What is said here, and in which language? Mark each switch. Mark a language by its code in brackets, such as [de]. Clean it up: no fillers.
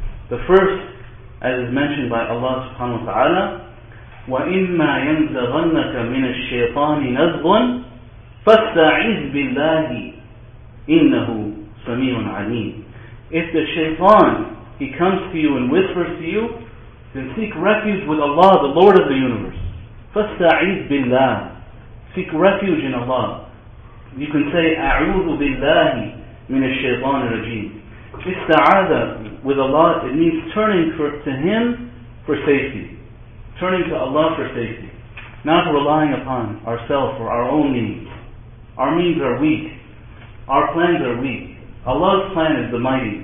[en] The first, as is mentioned by Allah subhanahu wa ta'ala, [ar] وَإِمَّا يَنْزَغَنَّكَ مِنَ الشَّيْطَانِ نَزْغٌ فَاسْتَعِذْ بِاللَّهِ إنه سميع عليم. [en] If the shaitan, he comes to you and whispers to you, then seek refuge with Allah, the Lord of the universe. [ar] فَاسْتَعِذْ بِاللَّهِ. [en] Seek refuge in Allah. You can say, [ar] أَعُوذُ بِاللَّهِ مِنَ الشَّيْطَانِ الرَّجِيمِ. [en] إِسْتَعَاذَ with Allah, it means turning to Him for safety. Turning to Allah for safety. Not relying upon ourselves or our own needs. Our means are weak. Our plans are weak. Allah's plan is the mighty.